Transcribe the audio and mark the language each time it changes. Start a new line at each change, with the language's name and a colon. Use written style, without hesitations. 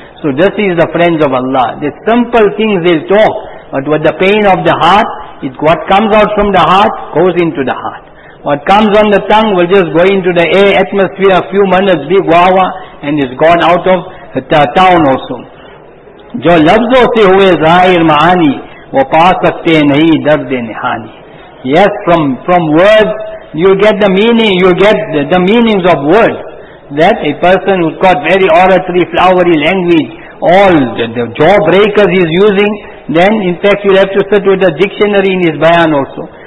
English: So this is the friends of Allah. The simple things they'll talk, but with the pain of the heart, it, what comes out from the heart, goes into the heart. What comes on the tongue will just go into the air, atmosphere, a few minutes, big wawa, and is gone out of the town also.
Urdu: جو لفظوں سے ہوئے ظاہر معانی وہ پا سکتے نہیں درد نہانی.
English: Yes, from words, you get the meaning, you get the meanings of words. That a person who's got very oratory, flowery language, all the jawbreakers he's using, then in fact you'll have to sit with the dictionary in his bayan also.